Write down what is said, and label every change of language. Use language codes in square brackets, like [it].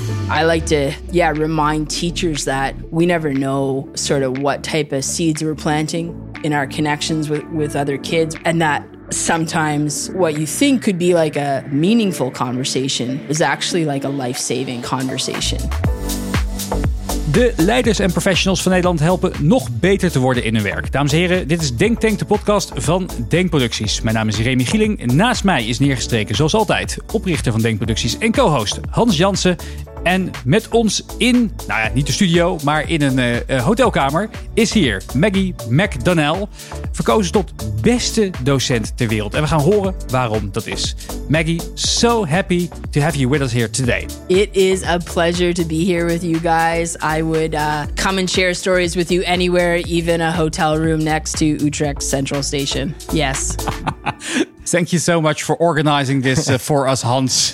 [en] I like to, yeah, remind teachers that we never know sort of what type of seeds we're planting in our connections with other kids, and that sometimes what you think could be like a meaningful conversation is actually like a life-saving conversation. [nl] De leiders en professionals van Nederland helpen nog beter te worden in hun werk. Dames en heren, dit is Denk Tank, de podcast van Denk Producties. Mijn naam is Remy Gieling. Naast mij is neergestreken, zoals altijd, oprichter van Denk Producties en co-host Hans Jansen. En met ons in, nou ja, niet de studio, maar in een hotelkamer, is hier Maggie McDonnell, verkozen tot beste docent ter wereld. En we gaan horen waarom dat is. [en] Maggie, so happy to have you with us here today. It is a pleasure to be here with you guys. I would come and share stories with you anywhere, even a hotel room next to Utrecht Central Station. Yes. Thank you so much for organizing this for us, Hans.